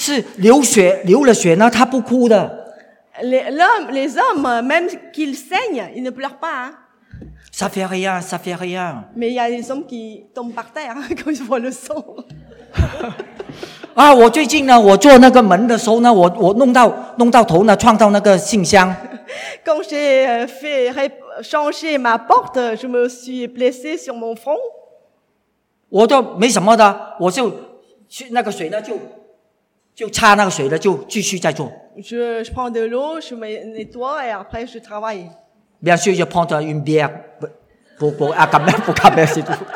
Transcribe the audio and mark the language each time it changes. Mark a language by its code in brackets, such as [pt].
[zh] 男人呢是流血流了血呢, 他不哭的。 [fr] Les hommes, même qu'ils saignent, ils ne pleurent pas. Hein. Ça fait rien, ça fait rien. Mais il y a des hommes qui tombent par terre quand ils voient le sang. [zh] 啊, 我最近呢, 我做那个门的时候呢, 我弄到头呢, 撞到那个信箱。 [fr] Quand j'ai fait changer ma porte, je me suis blessé sur mon front. [zh] 我就没什么的, 我就 去那个水呢就擦那个水呢就继续再做。 [fr] Je prends de l'eau, je me nettoie et après je travaille. Bien sûr, je prends une bière pour acabar, pour acabar, c'est tout.